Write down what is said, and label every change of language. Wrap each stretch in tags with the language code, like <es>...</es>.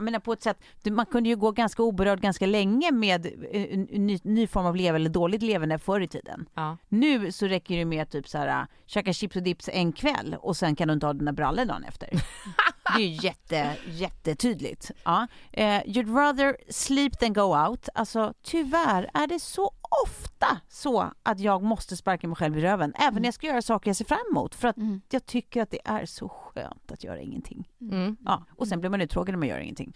<sv>Men på ett sätt, man kunde ju gå ganska oberörd ganska länge med ny form av leve eller dåligt levande förr i tiden. Ja. Nu så räcker det med att typ så här, käka chips och dips en kväll och sen kan du inte ha dina brallor dagen efter. Det är ju jättetydligt. Ja.</sv> <en>You'd rather sleep than go out.</en> <sv>Alltså, tyvärr är det så ofta så att jag måste sparka mig själv i röven. Även när jag ska göra saker jag ser fram emot. För att jag tycker att det är så skönt att göra ingenting. Mm. Ja. Och sen blir man uttråkad när man gör ingenting.</sv>